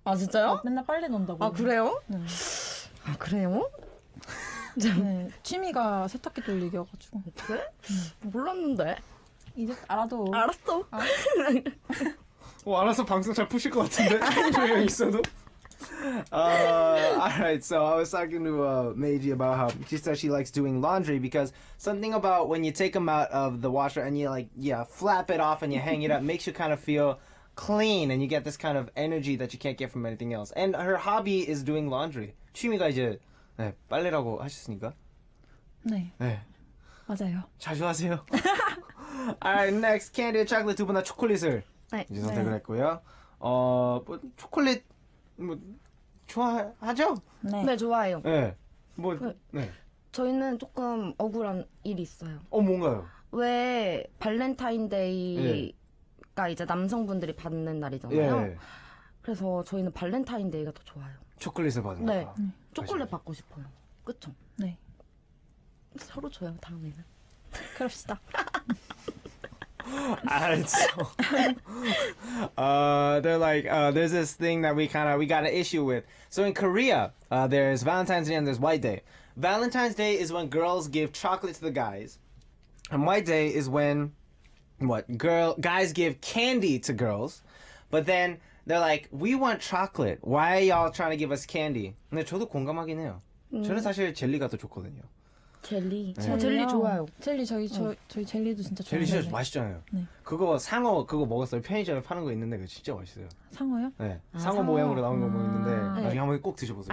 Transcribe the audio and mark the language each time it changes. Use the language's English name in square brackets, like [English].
[Korean] 아 진짜요? 맨날 빨래 넣는다고. 아 그래요? 네. 아 그래요? 네, 취미가 세탁기 돌리기여가지고. 그래? 몰랐는데. 이제 알아도. 알았어. 오, 알아서 방송 잘 푸실 것 같은데. 조용히 있어도. [English] Alright, so I was talking to Meiji about how she said she likes doing laundry because something about when you take them out of the washer and you like, yeah, flap it off and you hang it up makes you kind of feel clean and you get this kind of energy that you can't get from anything else. And her hobby is doing laundry. [Korean] 취미가 이제 네, 빨래라고 하셨으니까. 네. 네. 맞아요. 자주 하세요. [English] Alright, next, candy, chocolate, [Korean] 두 분 다 초콜릿을 네. 이제 선택을 네. 했고요. 뭐 초콜릿 뭐 좋아하죠? 네. 네, 좋아해요. 네. 뭐 그, 네. 저희는 조금 억울한 일이 있어요. 뭔가요? 왜 발렌타인데이가 예. 이제 남성분들이 받는 날이잖아요. 예. 그래서 저희는 발렌타인데이가 더 좋아요. 초콜릿을 받는 거. 네. 초콜릿 받고 싶어요. 그쵸? 네. 서로 줘요, 다음에는. 그럽시다. 알았어. [English] they're like, there's this thing that we got an issue with. So in Korea, there's Valentine's Day and there's White Day. Valentine's Day is when girls give chocolate to the guys. And White Day is when, guys give candy to girls. But then, they're like, we want chocolate. Why are y'all trying to give us candy? [Korean] 근데 저도 공감하긴 해요. 저는 사실 젤리가 더 좋거든요. 젤리. 네. 젤리 좋아요. 젤리 저희 젤리도 진짜 좋아요. 젤리 진짜 맛있잖아요. 네. 그거 상어 그거 먹었어요. 편의점에 파는 거 있는데 그거 진짜 맛있어요. 상어요? 네. 상어 모양으로 나온 거 있는데 나중에 네. 한번 꼭 드셔보세요.